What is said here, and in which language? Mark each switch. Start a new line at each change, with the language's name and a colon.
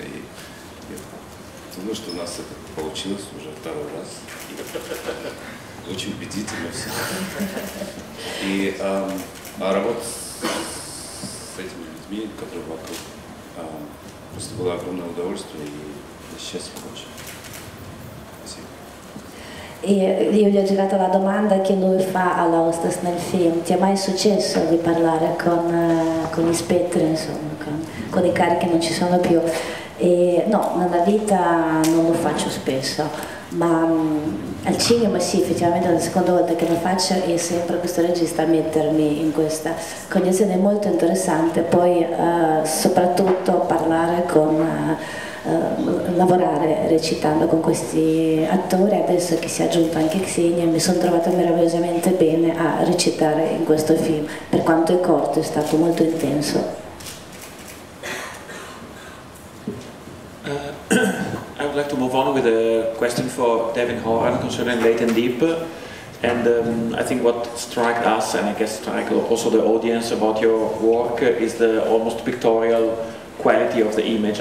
Russian: И я думаю, что у нас это получилось уже второй раз. Очень убедительно все. И работа с этими людьми, которые вокруг, просто было огромное удовольствие и счастье очень.
Italian: E io gli ho girato la domanda che lui fa alla hostess nel film: ti è mai successo di parlare con gli spettri, insomma, con i cari che non ci sono più? E no, nella vita non lo faccio spesso, ma al cinema sì, effettivamente è la seconda volta che lo faccio e sempre questo regista a mettermi in questa condizione. È molto interessante poi soprattutto parlare con... lavorare recitando con questi attori, adesso che si è aggiunto anche Xenia, mi sono trovata meravigliosamente bene a recitare in questo film, per quanto è corto, è stato molto intenso.
English: I would like to move on with a question for Devin Horan concerning Late and Deep, and I think what struck us, and I guess struck also the audience about your work, is the almost pictorial quality of the image.